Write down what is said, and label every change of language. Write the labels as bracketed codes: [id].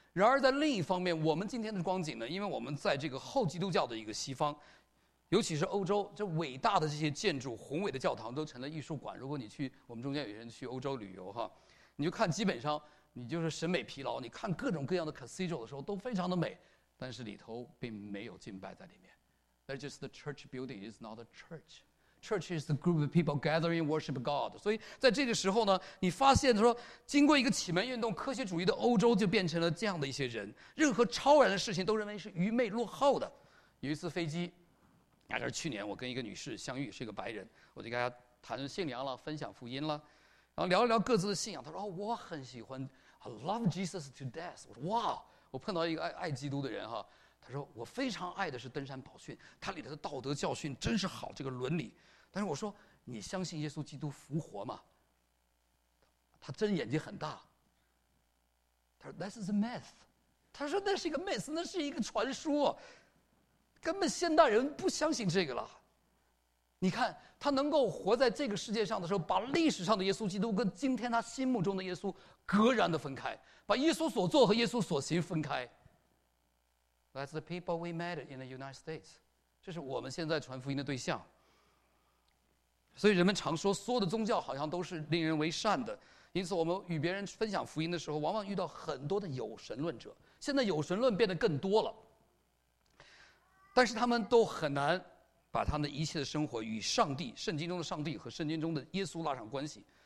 [zh] 然而在另一方面，我们今天的光景呢，因为我们在这个后基督教的一个西方，尤其是欧洲，这伟大的这些建筑、宏伟的教堂都成了艺术馆。如果你去，我们中间有人去欧洲旅游哈，你就看，基本上你就是审美疲劳，你看各种各样的 cathedral 的时候都非常的美，但是里头并没有敬拜在里面。 [en] That's just the church building, it's not a churchChurch is the group of people gathering worship God. [zh] 所以在这个时候呢，你发现说经过一个启蒙运动，科学主义的欧洲就变成了这样的一些人，任何超然的事情都认为是愚昧落后的。有一次飞机，那是去年我跟一个女士相遇，是一个白人，我就跟她谈信仰了，分享福音了，然后聊一聊各自的信仰。她说：“哦，我很喜欢 [en] I love Jesus to death。” [zh] 我说：“哇，我碰到一个爱基督的人哈。” 他说：“我非常爱的是登山宝训，它里头的道德教训真是好，这个伦理。” 但是我说：“你相信耶稣基督复活吗？” 他睁眼睛很大。他说 [en] ：“That's a myth。” [zh] 他说：“那是一个 myth， 那是一个传说，根本现代人不相信这个了。” 你看他能够活在这个世界上的时候，把历史上的耶稣基督跟今天他心目中的耶稣格然的分开，把耶稣所做和耶稣所行分开。 [en] That's the people we met in the United States. [zh] 这是我们现在传福音的对象。所以人们常说，所有的宗教好像都是令人为善的。因此，我们与别人分享福音的时候，往往遇到很多的有神论者。现在有神论变得更多了，但是他们都很难把他们的一切的生活与上帝、圣经中的上帝和圣经中的耶稣拉上关系。